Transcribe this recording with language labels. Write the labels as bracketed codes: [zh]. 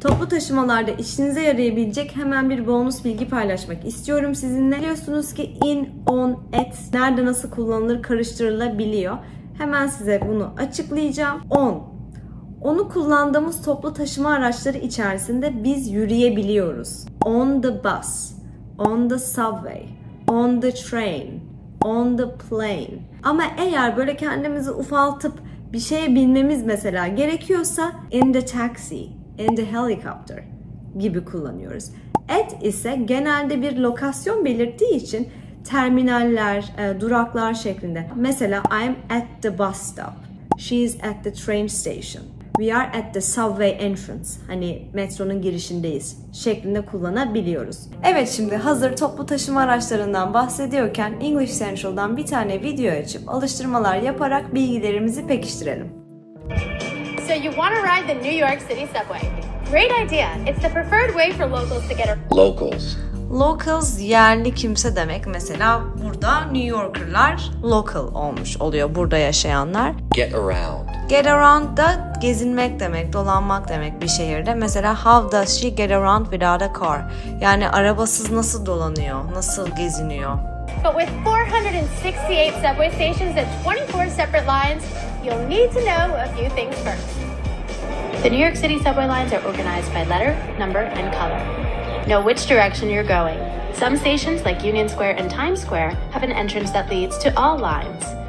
[tr] Toplu taşımalarda işinize yarayabilecek hemen bir bonus bilgi paylaşmak istiyorum sizinle. Biliyorsunuz ki in, on, et nerede nasıl kullanılır karıştırılabiliyor. Hemen size bunu açıklayacağım. On. Onu kullandığımız toplu taşıma araçları içerisinde biz yürüyebiliyoruz. [en] On the bus, on the subway, on the train, on the plane. [tr] Ama eğer böyle kendimizi ufaltıp bir şeye binmemiz mesela gerekiyorsa [en] in the taxi, in the helicopter [tr] gibi kullanıyoruz. At ise genelde bir lokasyon belirttiği için terminaller, duraklar şeklinde. [en] Mesela I'm at the bus stop, she's at the train station. We are at the subway entrance, [tr] hani metronun girişindeyiz şeklinde kullanabiliyoruz. Evet, şimdi hazır toplu taşıma araçlarından bahsediyorken English Central'dan bir tane video açıp alıştırmalar yaparak bilgilerimizi pekiştirelim. [en] So you want to ride the New York City subway. Great idea. It's the preferred way for locals to get around. Locals. [tr] Locals yerli kimse demek. Mesela burada New Yorker'lar local olmuş oluyor, burada yaşayanlar. [en] Get around. [tr] Get around da gezinmek demek, dolanmak demek bir şehirde. [en] Mesela how does she get around without a car? [tr] Yani arabasız nasıl dolanıyor, nasıl geziniyor? [en] But with 468 subway stations and 24 separate lines, you'll need to know a few things first. The New York City subway lines are organized by letter, number, and color. Know which direction you're going. Some stations like Union Square and Times Square have an entrance that leads to all lines.